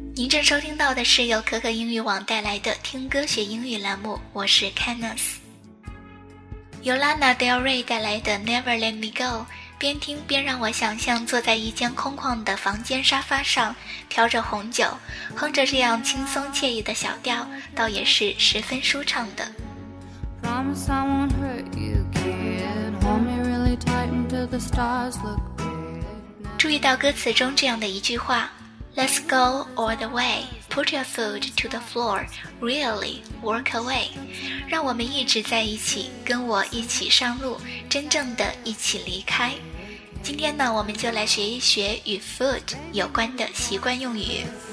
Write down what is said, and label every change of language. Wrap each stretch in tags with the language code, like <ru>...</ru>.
<zh>正收听到的是由可可英语网带来的听歌学英语栏目，我是 Kenneth。由 Lana Del Rey 带来的 Never Let Me Go， 边听边让我想象坐在一间空旷的房间沙发上，调着红酒，哼着这样轻松惬意的小调，倒也是十分舒畅的。</zh> <en>Promise I won't hurt you, kid. Hold me really tight until the stars look red.</en> <zh>注意到歌词中这样的一句话 ：</zh> <en>Let's go all the way, put your foot to the floor, really work away.</en> <zh>让我们一直在一起，跟我一起上路，真正的一起离开。今天呢，我们就来学一学与 foot 有关的习惯用语。</zh>